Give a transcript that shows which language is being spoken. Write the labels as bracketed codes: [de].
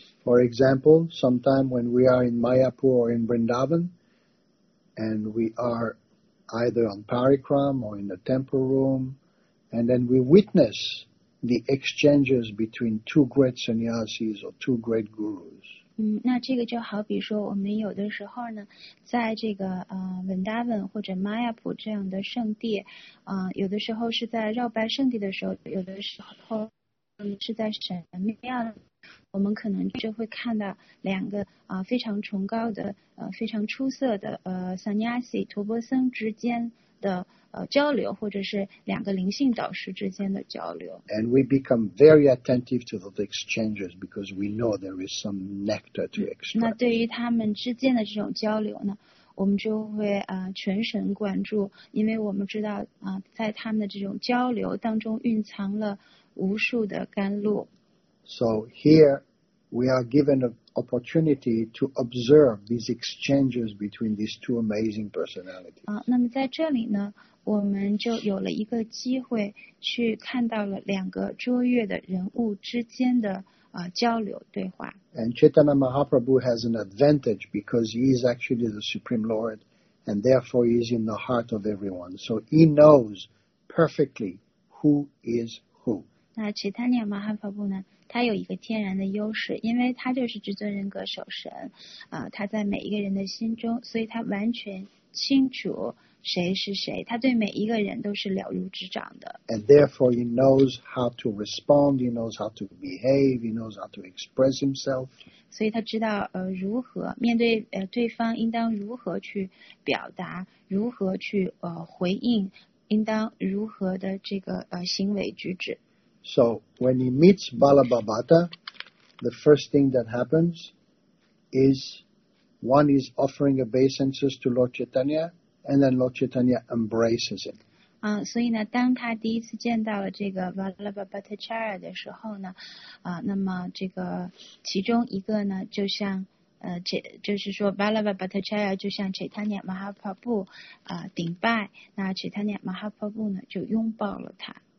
[en] For example, sometime when we are in Mayapur or in Vrindavan, and we are either on Parikram or in the temple room, and then we witness. The exchanges between two great sannyasis or two great gurus. [zh] 那这个就好比说，我们有的时候呢，在这个文达文或者玛雅普这样的圣地，有的时候是在绕拜圣地的时候，有的时候是在神庙，我们可能就会看到两个非常崇高的非常出色的sannyasi 陀钵僧之间。的交流，或者是两个灵性导师之间的交流。 [en] And we become very attentive to those exchanges because we know there is some nectar to extract. [zh] 那对于他们之间的这种交流呢，我们就会全神贯注，因为我们知道在他们的这种交流当中蕴藏了无数的甘露。 [en] So here we are given a. Opportunity to observe these exchanges between these two amazing personalities. [zh] 那么在这里呢，我们就有了一个机会去看到了两个卓越的人物之间的交流对话。 [en] And Chaitanya Mahaprabhu has an advantage because he is actually the Supreme Lord, and therefore he is in the heart of everyone. So he knows perfectly who is whom. [zh] 那其他尼亚马哈法布呢？他有一个天然的优势，因为他就是至尊人格守神，他在每一个人的心中，所以他完全清楚谁是谁，他对每一个人都是了如指掌的。 [en] And therefore, he knows how to respond. He knows how to behave. He knows how to express himself. [zh] 所以他知道如何面对对方，应当如何去表达，如何去回应，应当如何的这个行为举止。 [en] So when he meets Balabhadra, the first thing that happens is one is offering obeisances to Lord Chaitanya, and then Lord Chaitanya embraces him. [zh] 所以呢，当他第一次见到了这个 Balabhadracharya 的时候呢，那么这个其中一个呢，就像就是说 Balabhadracharya 就像 Chaitanya Mahaprabhu 顶拜，那 Chaitanya Mahaprabhu 呢就拥抱了他。